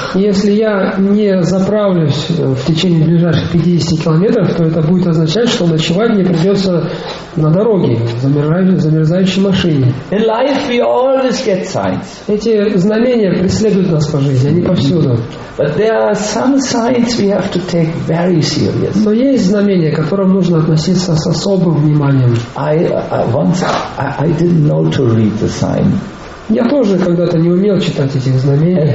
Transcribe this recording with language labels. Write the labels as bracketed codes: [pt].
[ru] Если я не заправлюсь в течение ближайших 50 километров, то это будет означать, что ночевать мне придется на дороге, замерзающей машине. [en] In life we always get signs. [ru] Эти знамения преследуют нас по жизни, они повсюду. [en] But there are some signs we have to take very seriously. [ru] Но есть знамения, к которым нужно относиться с особым вниманием. [en] I didn't know to read the sign. [ru] Я тоже когда-то не умел читать эти знамения.